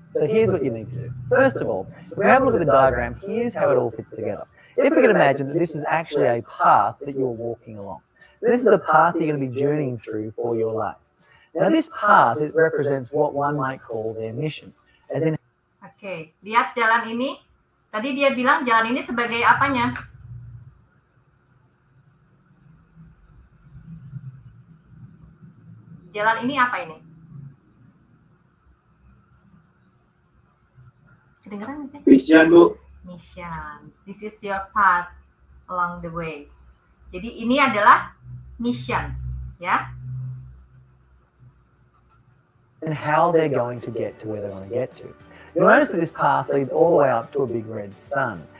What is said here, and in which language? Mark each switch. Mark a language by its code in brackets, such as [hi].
[en] So here's what you need to do. First of all, if we have a look at the diagram, here's how it all fits together. If we can imagine that this is actually a path that you're walking along. So this is the path you're going to be journeying through for your life. Now, this path, it represents what one might call their mission. As in, [id] okay, lihat jalan ini. Tadi dia bilang jalan ini sebagai apanya? Jalan ini apa ini? Kedengaran nggak? [en] Mission, Bu. Mission. This is your path along the way. [id] Jadi ini adalah missions, ya? [en] And how they're going to get to where they want to get to. You'll notice that this path leads all the way up to a big red sun.